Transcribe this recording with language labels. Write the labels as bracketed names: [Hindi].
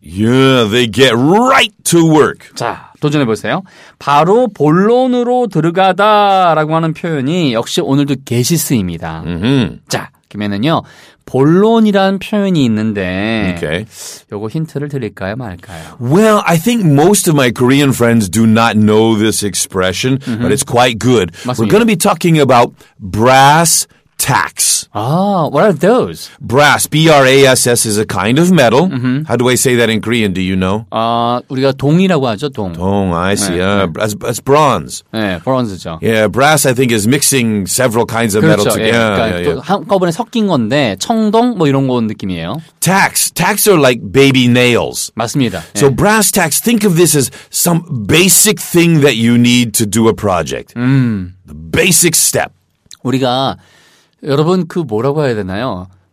[English] Yeah, they get right to work. [Korean] 자, 도전해보세요. 바로 본론으로 들어가다라고 하는 표현이 역시 오늘도 게시스입니다. Mm-hmm. 자, 그러면은요. 본론이라는 표현이 있는데 [English] okay. [Korean] 요거 힌트를 드릴까요, 말까요? [English] Well, I think most of my Korean friends do not know this expression, mm-hmm. but it's quite good. [Korean] 맞습니다. [English] We're going to be talking about brass tacks. Ah, what are those? Brass, B-R-A-S-S is a kind of metal. Mm-hmm. How do I say that in Korean? Do you know? [Korean] 우리가 동이라고 하죠, 동. [English] 동, I see. [Korean] 네, 네. [English] That's bronze. [Korean] 네, bronze죠. [English] Yeah, brass I think is mixing several kinds of [Korean] 그렇죠, [English] metal together. [Korean] 예, 그러니까 예, 예. 한꺼번에 섞인 건데 청동 뭐 이런 거 느낌이에요. [English] Tacks. Tacks are like baby nails. [Korean] 맞습니다. So 예. [English] brass tacks, think of this as some basic thing that you need to do a project. The basic step. [Korean] 우리가 여러분 그 뭐라고 해야 되나요?